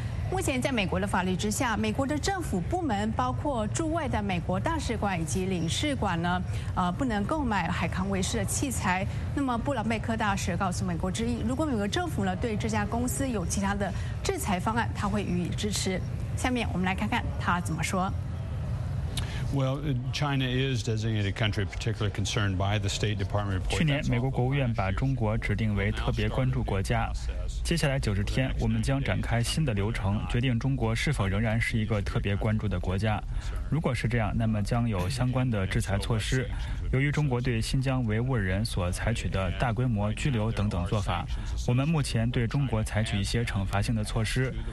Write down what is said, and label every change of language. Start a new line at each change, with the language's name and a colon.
Chinese: 目前在美国的法律之下，美国的政府部门包括驻外的美国大使馆以及领事馆呢，不能购买海康威视的器材。那么布朗贝克大使告诉美国之音，如果美国政府呢对这家公司有其他的制裁方案，他会予以支持。下面我们来看看他怎么说。
English: Well, China is designated country particularly concerned by the State Department report.
Chinese: 去年美国国务院把中国指定为特别关注国家。接下来90天，我们将展开新的流程，决定中国是否仍然是一个特别关注的国家。如果是这样，那么将有相关的制裁措施。由于中国对新疆维吾尔人所采取的大规模拘留等等做法，我们目前对中国采取一些惩罚性的措施。